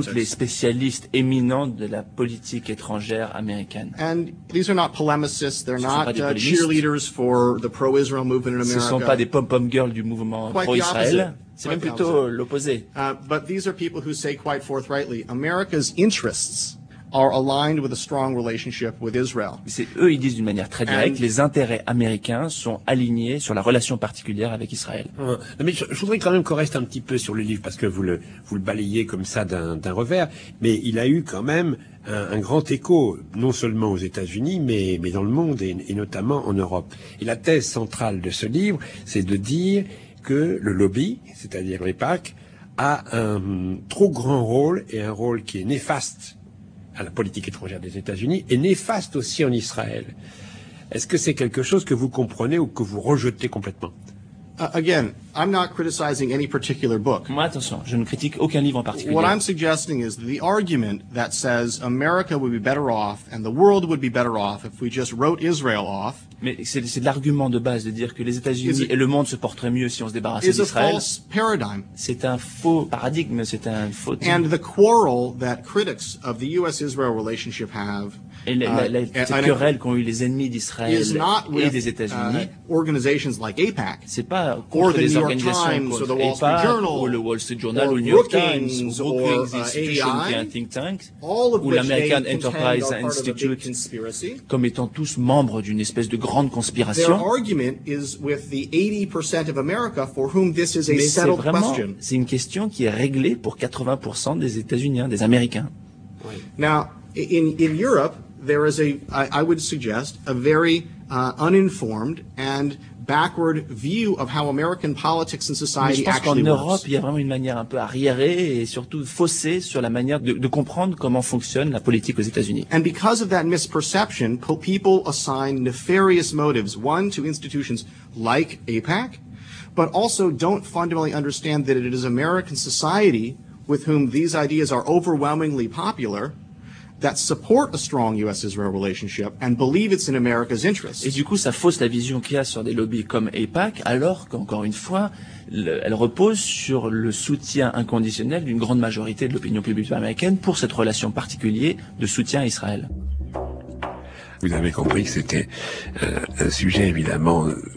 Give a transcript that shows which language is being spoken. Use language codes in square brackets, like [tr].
[fr] De tous les spécialistes éminents de la politique étrangère américaine. [en] And these are not polemicists. They're [fr] ce [en] not cheerleaders for the pro-Israel movement in America. [fr] Ce sont pas des pom-pom girls du mouvement [en] quite [fr] pro-Israël. [en] The opposite. [fr] C'est même plutôt l'opposé. [en] But these are people who say quite forthrightly, America's interests are aligned with a strong relationship with Israel. [fr] C'est eux, ils disent d'une manière très directe, les intérêts américains sont alignés sur la relation particulière avec Israël. Mais je voudrais quand même qu'on reste un petit peu sur le livre parce que vous le balayez comme ça d'un revers, mais il a eu quand même un grand écho, non seulement aux États-Unis, mais dans le monde et notamment en Europe. Et la thèse centrale de ce livre, c'est de dire que le lobby, c'est-à-dire l'EPAC, a un trop grand rôle et un rôle qui est néfaste à la politique étrangère des États-Unis est néfaste aussi en Israël. Est-ce que c'est quelque chose que vous comprenez ou que vous rejetez complètement? [en] Again, I'm not criticizing any particular book. [fr] Moi, attention, je ne critique aucun livre en particulier. [en] What I'm suggesting is the argument that says America would be better off and the world would be better off if we just wrote Israel off. [fr] Mais c'est l'argument de base de dire que les États-Unis et le monde se porteraient mieux si on se débarrassait d'Israël. [en] It's a false paradigm. [fr] C'est un faux paradigme, c'est un faux. [en] And the quarrel that critics of the U.S.-Israel relationship have. [fr] Et la querelle qu'ont eu les ennemis d'Israël et des États-Unis. [en] Organizations like APAC. [fr] C'est pas contre [en] or [fr] des organisations comme APAC ou le Wall Street Journal ou le New York Times ou [en] Brookings Institution AI, [fr] qui est un think tank ou l'American Enterprise Institute comme étant tous membres d'une espèce de grande conspiration. [en] Their argument is with the 80% of America for whom this is a [fr] mais [en] settled [fr] c'est vraiment, [en] question. [fr] C'est une question qui est réglée pour 80% des États-Unis, des Américains. Oui. [en] Now, in Europe, there is I would suggest, a very uninformed and backward view of how American politics and society actually works. [fr] Mais je pense qu'en Europe, il y a vraiment une manière un peu arriérée et surtout faussée sur la manière de comprendre comment fonctionne la politique aux États-Unis. [en] And because of that misperception, people assign nefarious motives, one, to institutions like APAC, but also don't fundamentally understand that it is American society with whom these ideas are overwhelmingly popular that support a strong US-Israel relationship and believe it's in America's interest. [fr] Et du coup, ça fausse la vision qu'il y a sur des lobbies comme APAC, alors qu'encore une fois, elle repose sur le soutien inconditionnel d'une grande majorité de l'opinion publique américaine pour cette relation particulière de soutien à Israël. Vous avez compris que c'était un sujet évidemment